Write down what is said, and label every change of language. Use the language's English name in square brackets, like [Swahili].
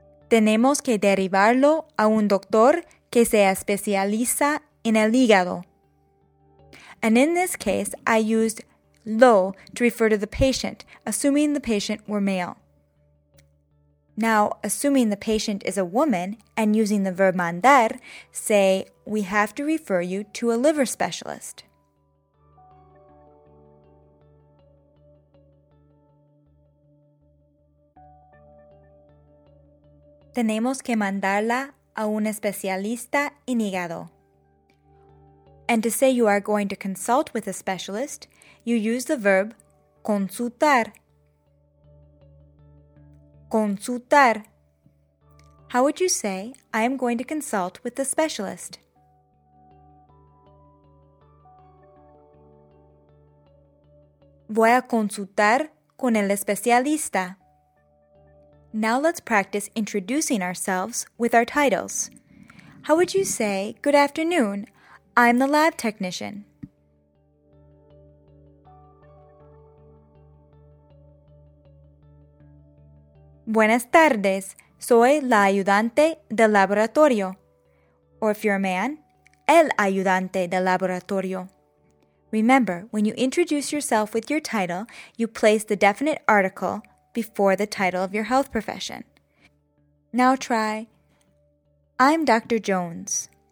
[Spanish] Tenemos que derivarlo a un doctor que se especializa en el hígado. [English] And in this case, I used lo to refer to the patient, assuming the patient were male. Now, assuming the patient is a woman and using the verb mandar, say, we have to refer you to a liver specialist. [Spanish] Tenemos que mandarla a un especialista en hígado. [English] And to say you are going to consult with a specialist, you use the verb consultar. Consultar. How would you say, I am going to consult with the specialist? [Spanish] Voy a consultar con el especialista. [English] Now let's practice introducing ourselves with our titles. How would you say, good afternoon, I'm the lab technician? [Spanish] Buenas tardes, soy la ayudante del laboratorio. [English] Or if you're a man, [Spanish] el ayudante del laboratorio. [English] Remember, when you introduce yourself with your title, you place the definite article before the title of your health profession. Now try, I'm Dr. Jones.